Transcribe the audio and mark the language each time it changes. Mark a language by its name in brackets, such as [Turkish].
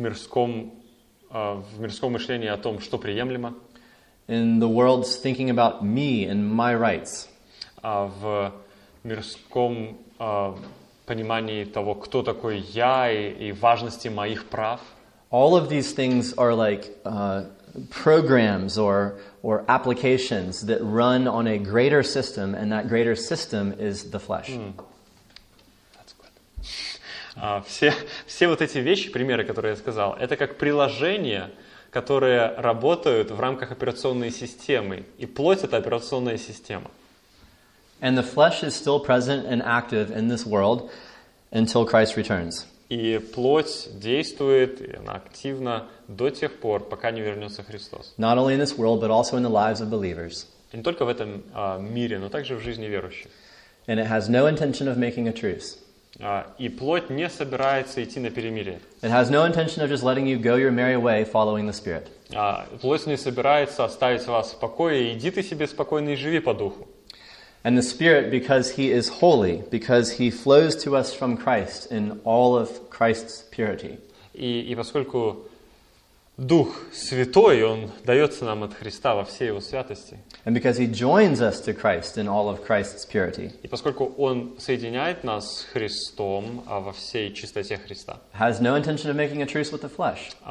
[Russian] В мирском мышлении о том, что приемлемо. [English] In the world's thinking about me and my rights. [Russian] В мирском понимании того, кто такой я и важности моих прав. [English] All of these things are like programs or applications that run on a greater system, and that greater system is the flesh. That's good. [Russian] Все вот эти вещи, примеры, которые я сказал, это как приложения, которые работают в рамках операционной системы, и плоть — это операционная система. [English] And the flesh is still present and active in this world until Christ returns. [Russian] И плоть действует, и она активна до тех пор, пока не вернется Христос. [English] Not only in this world, but also in the lives of believers. [Russian] И не только в этом мире, но также в жизни верующих. [English] And it has no intention of making a truce. [Russian] И плоть не собирается идти на перемирие. [English] It has no intention of just letting you go your merry way following the Spirit. [Russian] Плоть не собирается оставить вас в покое, иди ты себе спокойно и живи по духу. [English] And the Spirit, because He is holy, because He flows to us from Christ in all of Christ's purity. [Russian] И поскольку Дух Святой, Он дается нам от Христа во всей Его святости. [English] And because He joins us to Christ in all of Christ's purity. [Russian] И поскольку Он соединяет нас с Христом во всей чистоте Христа. [English] Has no intention of making a truce with the flesh.